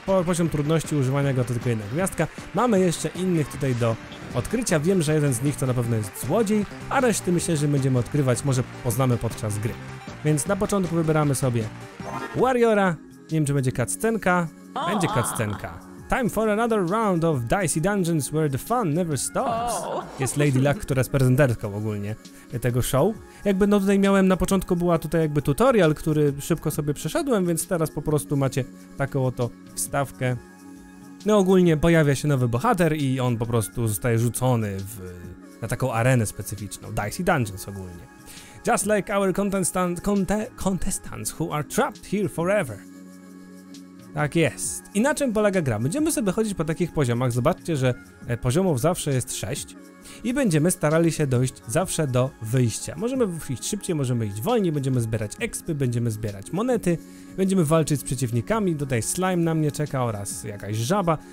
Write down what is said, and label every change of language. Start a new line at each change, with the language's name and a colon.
Polish: Poziom trudności używania go to tylko jedna gwiazdka. Mamy jeszcze innych tutaj do odkrycia. Wiem, że jeden z nich to na pewno jest złodziej, a reszty myślę, że będziemy odkrywać, może poznamy podczas gry. Więc na początku wybieramy sobie Warriora. Nie wiem, czy będzie cutscenka. Będzie cutscenka.
English: Time for another round of Dicey Dungeons where the fun never stops.
Polish: Jest Lady Luck, która jest prezenterką ogólnie tego show. Jakby no tutaj miałem, na początku była tutaj jakby tutorial, który szybko sobie przeszedłem, więc teraz po prostu macie taką oto wstawkę. No ogólnie pojawia się nowy bohater i on po prostu zostaje rzucony na taką arenę specyficzną. Dicey Dungeons ogólnie.
English: Just like our contestants who are trapped here forever.
Polish: Tak jest. I na czym polega gra? Będziemy sobie chodzić po takich poziomach, zobaczcie, że poziomów zawsze jest 6 i będziemy starali się dojść zawsze do wyjścia. Możemy iść szybciej, możemy iść wolniej, będziemy zbierać expy, będziemy zbierać monety, będziemy walczyć z przeciwnikami, tutaj slime na mnie czeka oraz jakaś żaba.